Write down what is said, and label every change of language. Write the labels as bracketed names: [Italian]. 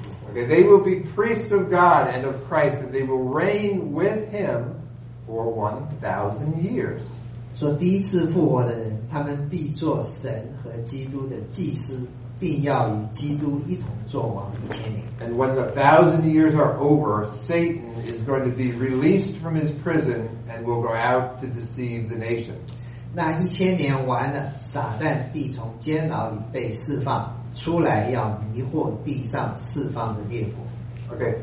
[English] Okay, they will be priests of God and of Christ, and they will reign with him for 1,000 years. [Chinese] So, 第一次复活的人，他们必做神和基督的祭司。 [English] And when the 1,000 years are over, Satan is going to be released from his prison and will go out to deceive the nation. [Chinese] 那一千年完了，撒旦必从监牢里被释放，出来要迷惑地上四方的列国。Okay,